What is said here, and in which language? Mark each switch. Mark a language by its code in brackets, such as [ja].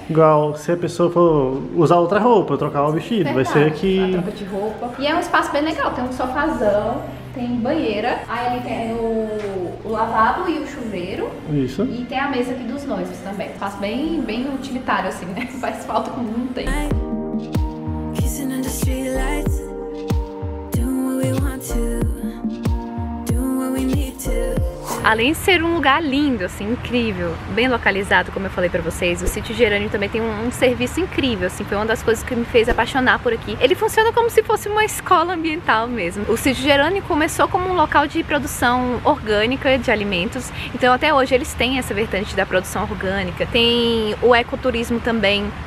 [pt] Igual se a pessoa for usar outra roupa, trocar o vestido, verdade, vai ser aqui. A troca de roupa. E é um espaço bem legal, tem um sofazão. Tem banheira, aí ele tem o lavabo e o chuveiro. Isso. E tem a mesa aqui dos noivos também. Faz bem, bem utilitário, assim, né? Faz falta quando não tem. [en] Kissing under street lights. Doing what we want to. Doing what we need to. [pt] Além de ser um lugar lindo, assim, incrível, bem localizado, como eu falei pra vocês, o sítio Gerânio também tem um serviço incrível, assim, foi uma das coisas que me fez apaixonar por aqui. Ele funciona como se fosse uma escola ambiental mesmo. O sítio Gerânio começou como um local de produção orgânica de alimentos, então até hoje eles têm essa vertente da produção orgânica, tem o ecoturismo também.